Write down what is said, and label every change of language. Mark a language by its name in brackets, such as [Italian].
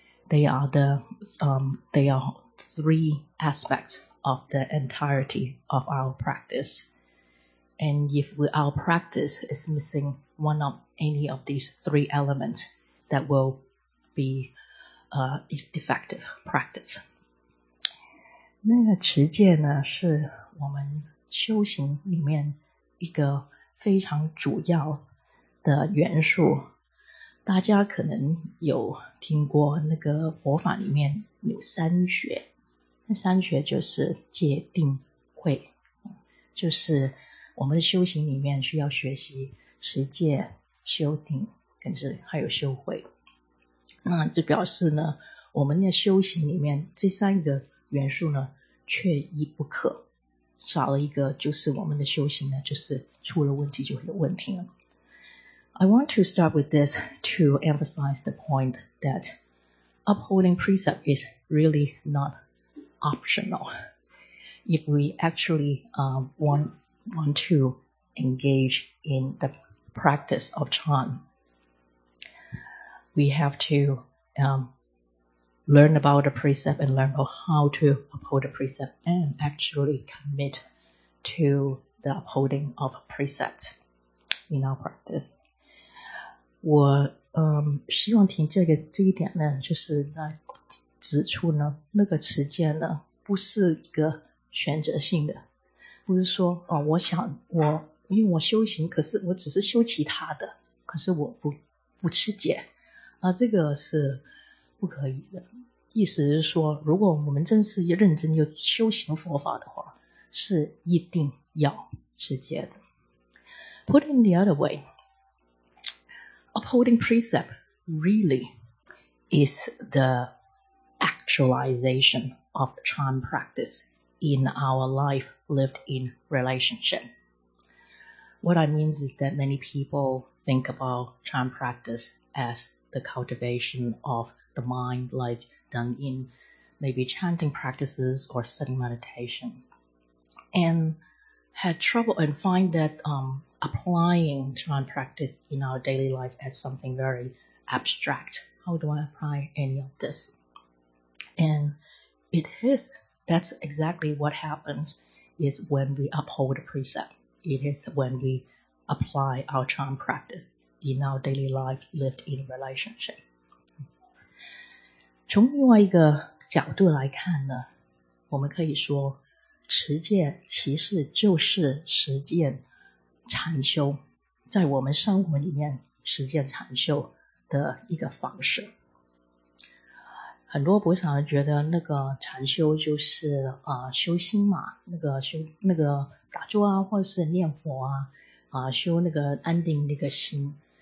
[English] They are the, they are three aspects of the entirety of our practice. And if our practice is missing one of any of these three elements, that will be a defective practice. [Chinese] 那个持戒呢，是我们修行里面一个非常主要的元素。大家可能有听过那个佛法里面有三学，那三学就是戒、定、慧，就是我们的修行里面需要学习持戒、修定，跟是还有修慧。那就表示呢，我们的修行里面这三个元素呢，缺一不可。少了一个，就是我们的修行呢，就是出了问题就有问题了。 [English] I want to start with this to emphasize the point that upholding precept is really not optional. If we actually want to engage in the practice of Chan, we have to learn about a precept and learn about how to uphold a precept and actually commit to the upholding of precepts in our practice. [Chinese] 我希望提这一点呢，就是来指出呢，那个持戒呢不是一个选择性的。不是说我想我因为我修行，可是我只是修其他的，可是我不持戒这个是不可以的。意思是说，如果我们真是认真就修行佛法的话，是一定要持戒的。 [English] Put in the other way, upholding precept really is the actualization of Chan practiceIn our life lived in relationship. What I mean is that many people think about Chan practice as the cultivation of the mind, like done in maybe chanting practices or sitting meditation, and had trouble and find that applying Chan practice in our daily life as something very abstract. How do I apply any of this? And it is. That's exactly what happens is when we uphold a precept. It is when we apply our Chan practice in our daily life lived in relationship. [Chinese] 从另外一个角度来看呢，我们可以说持戒其实就是实践禅修，在我们生活里面实践禅修的一个方式。很多菩萨觉得那个禅修就是修心嘛，那个打坐啊，或者是念佛啊，修那个安定那个心。